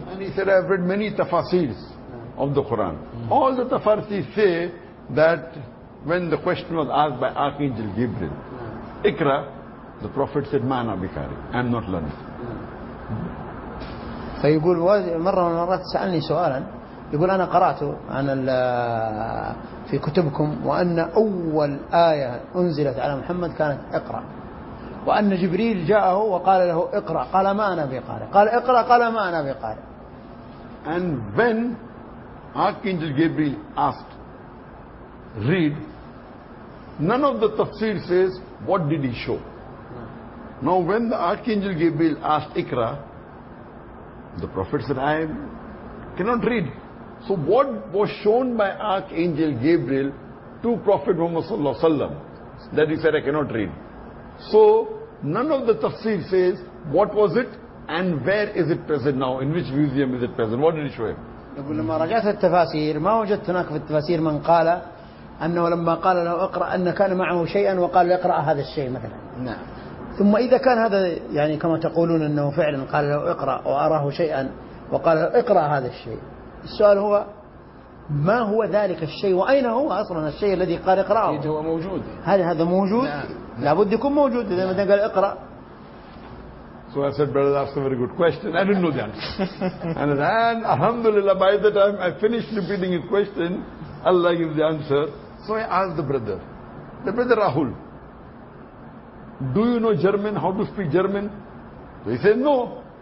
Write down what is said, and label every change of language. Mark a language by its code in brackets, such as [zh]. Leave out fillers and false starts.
[en] And he said, I've read many tafasils of the Quran. All the tafasils say that when the question was asked by Archangel Gabriel, Iqra, the Prophet said, [ar] Ma ana bikari, [en] I'm not learning. [ar] فيقول مرة من المرات سألني سؤالا, يقول أنا قرأت عن في كتبكم وأن أول آية أنزلت على محمد كانت اقرأ, وأن جبريل جاءه وقال له اقرأ, قال ما أنا بقارئ, قال اقرأ, قال ما أنا بقارئ. [en] And when Archangel Gabriel asked, read, none of the tafsir says what did he show. Now when the Archangel Gabriel asked اقرأ, the Prophet said, I cannot read. So what was shown by Archangel Gabriel to Prophet Muhammad ﷺ? That he said, I cannot read. So none of the tafsir says, what was it and where is it present now? In which museum is it present? What did he show him? [ar] يقول لما رجعت التفاسير ما وجدت هناك في التفاسير من قال أنه لما قال له اقرأ أن كان معه شيئا وقال له اقرأ هذا الشيء مثلا. نعم. ثم إذا كان هذا يعني كما تقولون أنه فعلا قال له اقرأ وأراه شيئا وقال له اقرأ هذا الشيء, السؤال هو ما هو ذلك الشيء وأين هو أصلا الشيء الذي قال اقرأه؟ إذا هو موجود, هل هذا موجود؟ نعم. لابد يكون موجود إذا مثلا قال اقرأ. [en] So I said, brother, that's a very good question. I didn't know the answer. And then, alhamdulillah, by the time I finished repeating his question, Allah gives the answer. So I asked the brother Rahul, do you know German? How to speak German? So he said, no.